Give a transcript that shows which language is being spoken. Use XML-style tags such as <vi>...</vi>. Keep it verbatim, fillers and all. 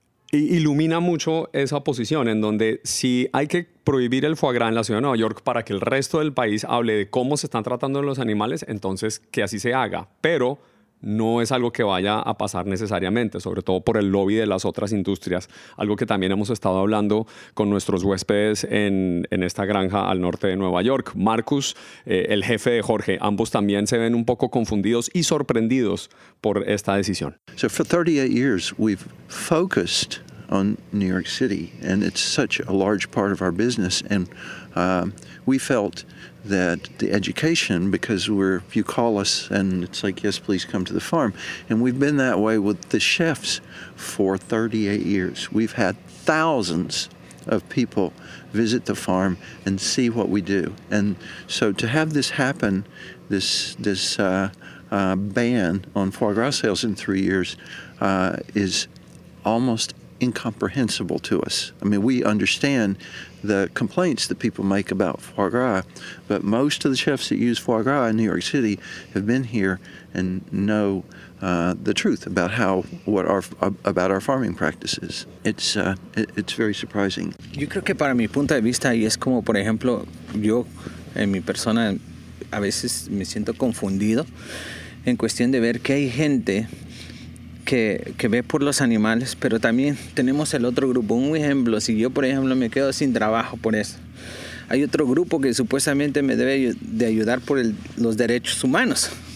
<es>Ilumina mucho esa posición en donde si hay que prohibir el foie gras en la ciudad de Nueva York para que el resto del país hable de cómo se están tratando los animales, entonces que así se haga, pero no es algo que vaya a pasar necesariamente, sobre todo por el lobby de las otras industrias, algo que también hemos estado hablando con nuestros huéspedes en, en esta granja al norte de Nueva York. Marcus, eh, el jefe de Jorge, ambos también se ven un poco confundidos y sorprendidos por esta decisión.</es> <en>So for thirty-eight years we've focused on New York City and it's such a large part of our business and uh, we felt that the education, because we're, if you call us and it's like, yes, please come to the farm. And we've been that way with the chefs for thirty-eight years. We've had thousands of people visit the farm and see what we do. And so to have this happen, this this uh, uh, ban on foie gras sales in three years uh, is almost incomprehensible to us. I mean, we understand the complaints that people make about foie gras, but most of the chefs that use foie gras in New York City have been here and know uh, the truth about how what our about our farming practices. It's uh, it's very surprising.</en> <es>Yo creo que para mi punto de vista y es como, por ejemplo, yo en mi persona a veces me siento confundido en cuestión de ver que hay gente Que, que ve por los animales, pero también tenemos el otro grupo. Un ejemplo, si yo por ejemplo me quedo sin trabajo por eso, hay otro grupo que supuestamente me debe de ayudar por el, los derechos humanos.</es>